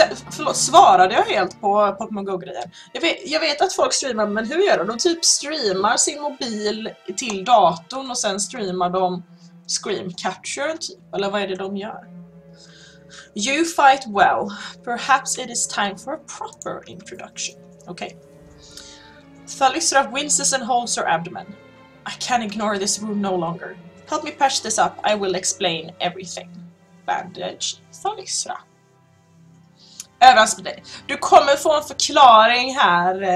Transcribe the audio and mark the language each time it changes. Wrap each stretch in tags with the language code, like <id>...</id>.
<sv>Förlåt, svarade jag helt på Pokémon Go-grejen? Jag vet att folk streamar, men hur gör de? De typ streamar sin mobil till datorn och sen streamar de Scream Capture, typ, eller vad är det de gör?</sv> <en>You fight well. Perhaps it is time for a proper introduction. Okay. Thalysra winces and holds her abdomen. I can't ignore this wound no longer. Help me patch this up, I will explain everything. Bandage Thalysra.</en> <sv>Överraskande. Du kommer få en förklaring här,</sv>